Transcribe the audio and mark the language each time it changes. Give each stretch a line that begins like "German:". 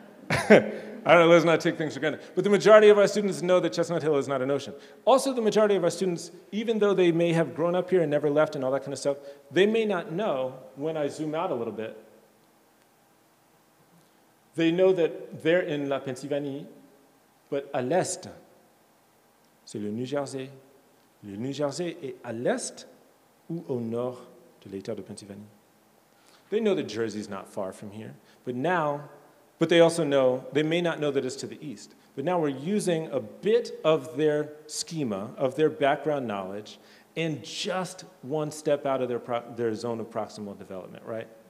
English: I don't know, let's not take things for granted. But the majority of our students know that Chestnut Hill is not an ocean. Also, the majority of our students, even though they may have grown up here and never left and all that kind of stuff, they may not know, when I zoom out a little bit, they know that they're in La Pennsylvanie, but
French: à l'est. C'est le New Jersey. Le New Jersey est à l'est ou au nord de l'État de Pennsylvanie.
English: They know that Jersey's not far from here, but they also know, they may not know that it's to the east. But now we're using a bit of their schema, of their background knowledge, and just one step out of their zone of proximal development, right?